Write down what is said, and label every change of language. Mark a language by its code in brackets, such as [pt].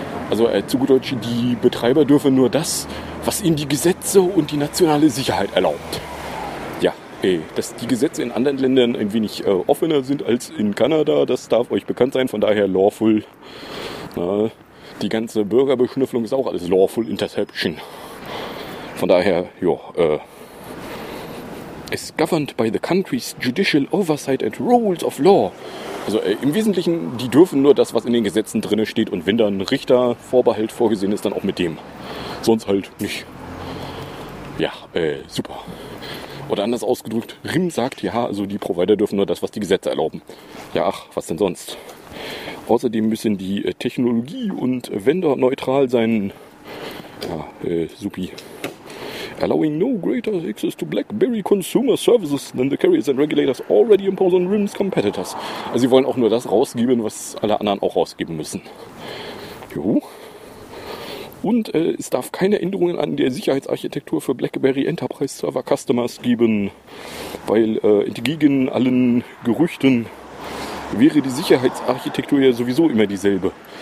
[de] Also zu gut Deutsch, die Betreiber dürfen nur das, was ihnen die Gesetze und die nationale Sicherheit erlaubt. Dass die Gesetze in anderen Ländern ein wenig offener sind als in Kanada, das darf euch bekannt sein, von daher lawful. Die ganze Bürgerbeschnüffelung ist auch alles lawful interception. Von daher, ja, [en] is governed by the country's judicial oversight and rules of law. [de] Also im Wesentlichen, die dürfen nur das, was in den Gesetzen drin steht, und wenn da ein Richtervorbehalt vorgesehen ist, dann auch mit dem. Sonst halt nicht. Ja, super. Oder anders ausgedrückt, RIM sagt, ja, also die Provider dürfen nur das, was die Gesetze erlauben. Ja, ach, was denn sonst? Außerdem müssen die Technologie- und Vendor-neutral sein. Ja, supi. [en] Allowing no greater access to BlackBerry Consumer Services than the carriers and regulators already impose on RIM's competitors. [de] Also sie wollen auch nur das rausgeben, was alle anderen auch rausgeben müssen. Jo. Und es darf keine Änderungen an der Sicherheitsarchitektur für BlackBerry Enterprise Server Customers geben, weil entgegen allen Gerüchten wäre die Sicherheitsarchitektur ja sowieso immer dieselbe.